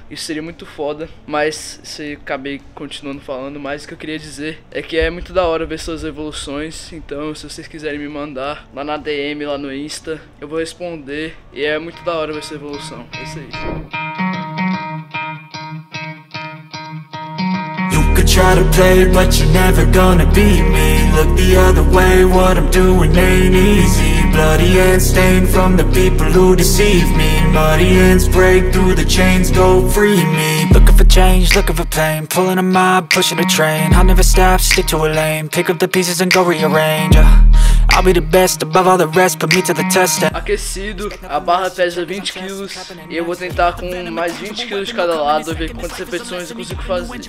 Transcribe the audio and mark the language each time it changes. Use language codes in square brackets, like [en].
[pt] Isso seria muito foda, mas se acabei continuando falando, mas o que eu queria dizer é que é muito da hora ver suas evoluções, então se vocês quiserem me mandar lá na DM, lá no Insta, eu vou responder e é muito da hora ver sua evolução, é isso aí. [en] Try to play, but you're never gonna beat me. Look the other way, what I'm doing ain't easy. Bloody hands stained from the people who deceive me. Muddy hands break through the chains, go free me. Looking for change, looking for pain. Pulling a mob, pushing a train. I'll never stop, stick to a lane. Pick up the pieces and go rearrange, yeah. I'll be the best above all the rest, put me to the test. [pt] Aquecido, a barra pesa 20 kg. E eu vou tentar com mais 20 kg de cada lado, ver quantas repetições eu consigo fazer.